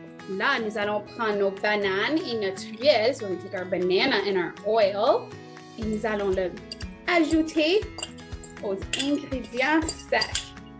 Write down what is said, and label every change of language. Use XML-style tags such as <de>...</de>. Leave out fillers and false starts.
<fr>Là, nous allons prendre nos bananes et notre huile.</fr> <en>So we take our banana and our oil.</en> <fr>Et nous allons le ajouter aux ingrédients secs.</fr>